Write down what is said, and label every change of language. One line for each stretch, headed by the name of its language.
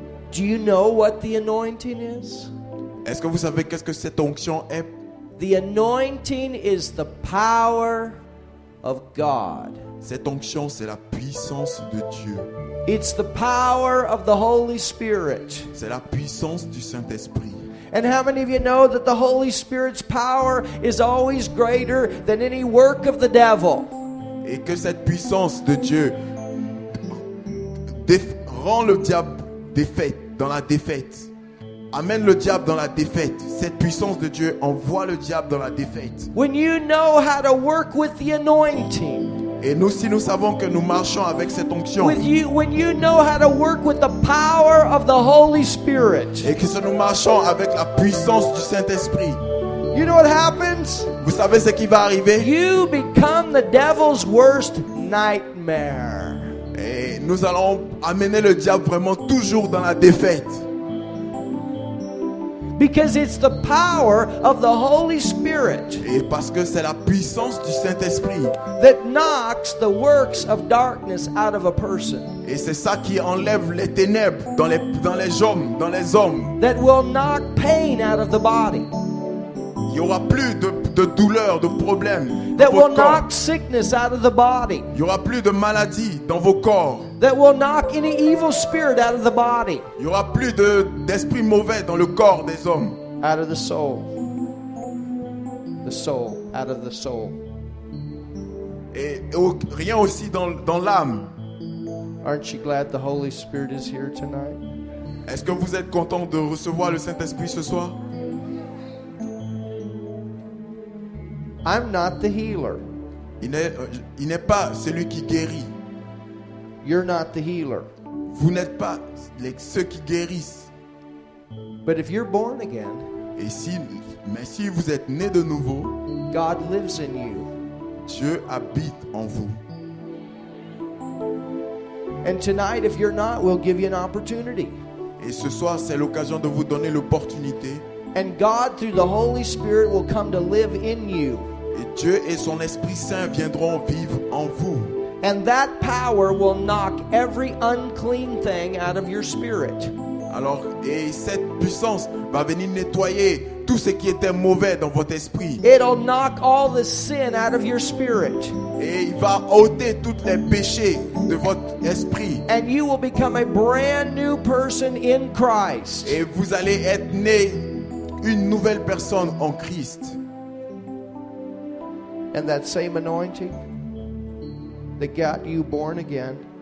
English: Do you know what the anointing is?
French: Est-ce que vous savez qu'est-ce que cette onction est?
English: The anointing is the power of God.
French: Cette onction, c'est la puissance de Dieu.
English: It's the power of the Holy Spirit.
French: C'est la puissance du Saint-Esprit.
English: And how many of you know that the Holy Spirit's power is always greater than any work of the devil?
French: Et que cette puissance de Dieu rend le diable défait, dans la défaite. Amène le diable dans la défaite. Cette puissance de Dieu envoie le diable dans la défaite.
English: When you know how to work with the anointing.
French: Et nous, si nous savons que nous marchons avec cette onction,
English: when you know how to work with the power of the Holy Spirit,
French: et que si nous marchons avec la puissance du Saint-Esprit,
English: you know what happens?
French: Vous savez ce qui va arriver?
English: You become the devil's worst nightmare. nightmare.
French: Et nous allons amener le diable vraiment toujours dans la défaite.
English: Because it's the power of the Holy Spirit.
French: Et parce que c'est la puissance du Saint-Esprit.
English: That knocks the works of darkness out of a person.
French: Et c'est ça qui enlève les ténèbres dans les hommes.
English: That will knock pain out of the body.
French: Il y aura plus de douleurs, de problèmes.
English: That will knock sickness out of the body.
French: Il y aura plus de maladies dans vos corps.
English: That will knock any evil spirit out of the body.
French: Il y aura plus d'esprit mauvais dans le corps des hommes.
English: Out of the soul. The soul, out of the soul.
French: Et rien aussi dans l'âme.
English: Aren't you glad the Holy Spirit is here tonight?
French: Est-ce que vous êtes content de recevoir le Saint-Esprit ce soir?
English: I'm not the healer.
French: Il n'est pas celui qui guérit.
English: You're not the healer.
French: Vous n'êtes pas ceux qui guérissent.
English: But if you're born again,
French: mais si vous êtes né de nouveau,
English: God lives in you.
French: Dieu habite en vous.
English: And tonight, if you're not, we'll give you an opportunity.
French: Et ce soir, c'est l'occasion de vous donner l'opportunité.
English: And God, through the Holy Spirit, will come to live in you.
French: Et Dieu et son Esprit Saint viendront vivre en vous.
English: And that power will knock every unclean thing out of your spirit.
French: Alors, et cette puissance va venir nettoyer tout ce qui était mauvais dans votre esprit.
English: It'll knock all the sin out of your spirit.
French: Et il va ôter tous les péchés de votre esprit.
English: And you will become a brand new person in Christ.
French: Et vous allez être né une nouvelle personne en Christ.
English: And that same anointing that got you born again,